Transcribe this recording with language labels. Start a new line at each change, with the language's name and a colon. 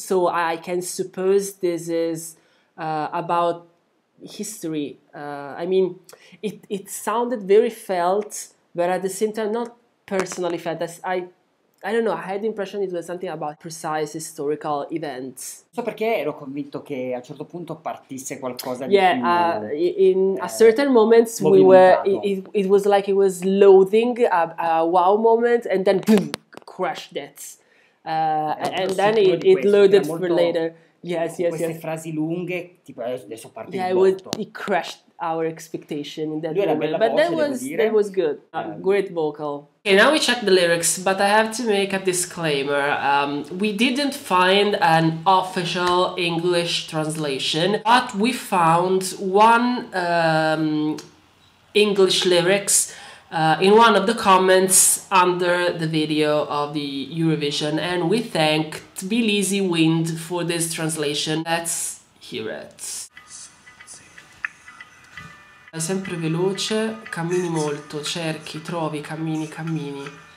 English: So I can suppose this is about history. I mean, it sounded very felt, but at the same time, not personally felt. I don't know, I had the impression it was something about precise historical events.
Italian: So perché ero convinto che a certo punto partisse qualcosa di
English: Yeah,
Italian: più,
English: in a certain moments we were it was like it was loading a wow moment and then boom, crashed it. And then it loaded for later. Yes, yes,
Italian: queste
English: yes.
Italian: Frasi lunghe, tipo adesso parte
English: yeah,
Italian: il botto.
English: It crashed. our expectation in that moment. But that was, that was good. Great vocal. Okay, now we check the lyrics, but I have to make a disclaimer. We didn't find an official English translation, but we found one English lyrics in one of the comments under the video of the Eurovision, and we thank Tbilisi Wind for this translation. Let's hear it.
Italian: Vai sempre veloce, cammini molto, cerchi, trovi, cammini, cammini.